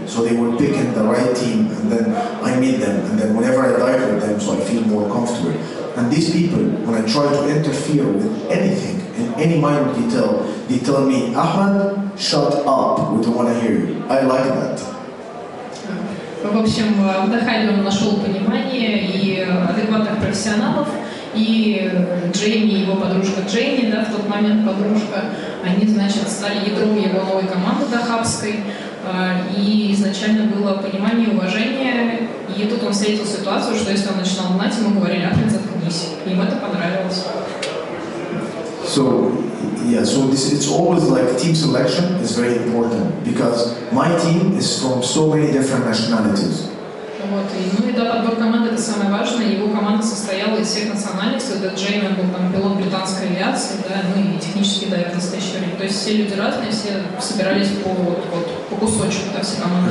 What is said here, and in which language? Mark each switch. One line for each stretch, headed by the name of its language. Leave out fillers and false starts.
English: So they were picking the right team, and then I meet them. And then whenever I dive with them, so I feel more comfortable. And these people, when I try to interfere with anything, in any minor detail, they tell me, Ahmed, shut up, we don't want to hear you. I like that.
Russian: В общем, в Дахабе он нашел понимание и адекватных профессионалов, и Джейми, его подружка Джейми, да, в тот момент подружка, они, значит, стали ядром его новой команды дахабской, и изначально было понимание и уважение, и тут он встретил ситуацию, что если он начинал гнать, ему говорили, Ахмед, заткнись, им это понравилось.
English: So, yeah, so this, it's always like team selection is very important because my team is from so many different nationalities.
Russian: Вот, и, ну и да, подбор команды это самое важное. Его команда состояла из всех национальностей. Это Джейми был там пилот британской авиации, да, ну и технический дайвер в настоящее время. То есть все люди разные, все собирались по кусочку, да, все команды.